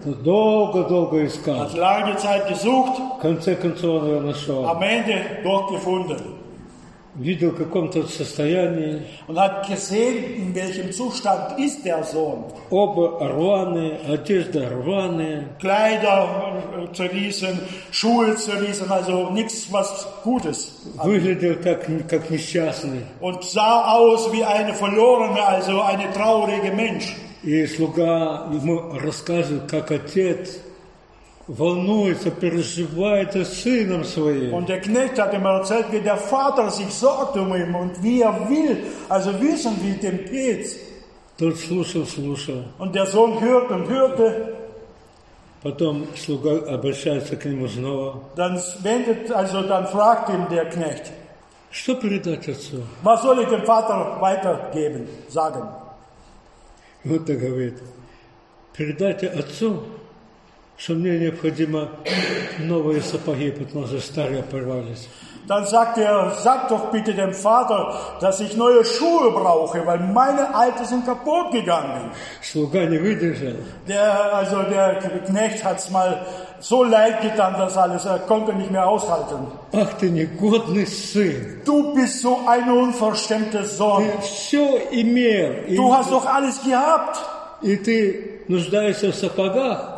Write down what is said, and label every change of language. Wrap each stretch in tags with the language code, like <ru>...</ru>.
<ru>Долго-долго искал.</ru> <de>Hat lange Zeit gesucht.</de> <ru>В конце концов он его нашел.</ru> <de>Am Ende doch gefunden.</de> <ru>Видел, в каком тот состоянии.</ru> <de>Und hat gesehen, in welchem Zustand ist der Sohn.</de> <ru>Оба рваные, одежда рваная.</ru> <de>Kleider zerrissen, Schuhe zerrissen, also nichts, was Gutes.</de> <ru>Выглядел как несчастный.</ru> <de>Und sah aus wie eine verlorene, also eine traurige Mensch.</de> <ru>И слуга ему рассказывает, как отец волнуется, переживает о сыном своим.</ru> <de>Und der Knecht hat ihm erzählt, wie der Vater sich sorgt um ihn und wie er will, also wissen, wie dem geht's.</de> <ru>Тот слушал.</ru> <de>Und der Sohn hört und hörte.</de> <ru>Потом слуга обращается к нему снова.</ru> <de>Dann fragt ihn der Knecht.</de> <ru>Что передать отцу?</ru> <de>Was soll ich dem Vater weitergeben, sagen?</de> <ru>Вот так говорит. Передайте отцу, что мне необходимо новые сапоги, потому что старые порвались.</ru> <de>Dann sagt er, sag doch bitte dem Vater, dass ich neue Schuhe brauche, weil meine alten sind kaputt gegangen.</de> <ru>Слуга не выдержал.</ru> <de>Der Knecht hat's mal so leid getan, das alles, er konnte nicht mehr aushalten.</de> <ru>Ach, ты негодный сын.</ru> <de>Du bist so ein unverschämter Sohn.</de> <ru>Все имел.</ru> <de>Du hast doch alles gehabt.</de> <ru>И ты нуждаешься в сапогах.</ru>